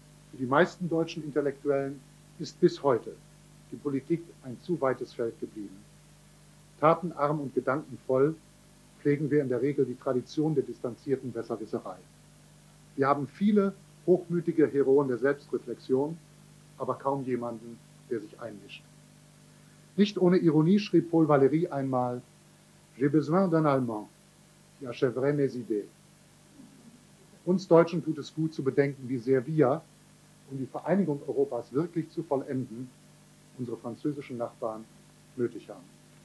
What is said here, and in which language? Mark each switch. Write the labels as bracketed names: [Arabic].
[German] Für die meisten deutschen Intellektuellen ist bis heute die Politik ein zu weites Feld geblieben. Tatenarm und gedankenvoll pflegen wir in der Regel die Tradition der distanzierten Besserwisserei. Wir haben viele hochmütige Heroen der Selbstreflexion, aber kaum jemanden, der sich einmischt. Nicht ohne Ironie schrieb Paul Valéry einmal: [French] J'ai besoin d'un Allemand, qui achèverait mes idées. [German] Uns Deutschen tut es gut zu bedenken, wie sehr wir, um die Vereinigung Europas wirklich zu vollenden, unsere französischen Nachbarn nötig haben.